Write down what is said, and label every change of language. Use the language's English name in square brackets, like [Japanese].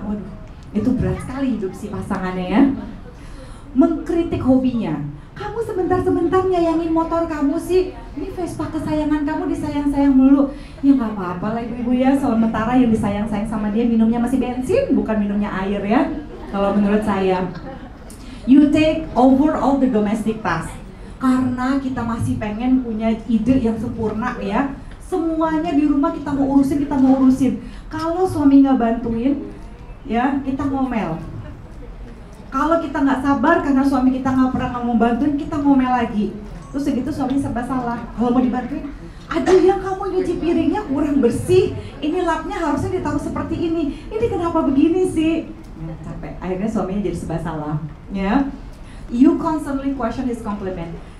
[Indonesian] Waduh, itu berat sekali hidup si pasangannya ya. Mengkritik hobinya. Kamu sebentar-sebentar nyayangin motor kamu sih. Ini Vespa kesayangan kamu disayang-sayang mulu. Ya gak apa-apa lah ibu-ibu ya. Sementara yang disayang-sayang sama dia minumnya masih bensin, bukan minumnya air ya. Kalau menurut saya. [English] You take over all the domestic tasks. [Indonesian] Karena kita masih pengen punya ide yang sempurna ya. Semuanya di rumah kita mau urusin. Kalau suami gak bantuin, ya kita ngomel. Kalau kita gak sabar karena suami kita gak pernah mau bantuin, kita ngomel lagi. Terus segitu suami serba salah. Kalau mau dibantuin, aduh ya kamu nyuci piringnya kurang bersih. Ini lapnya harusnya ditaruh seperti ini. Ini kenapa begini sih? Ya, capek, akhirnya suaminya jadi serba salah. Ya. [English] You constantly question his compliment.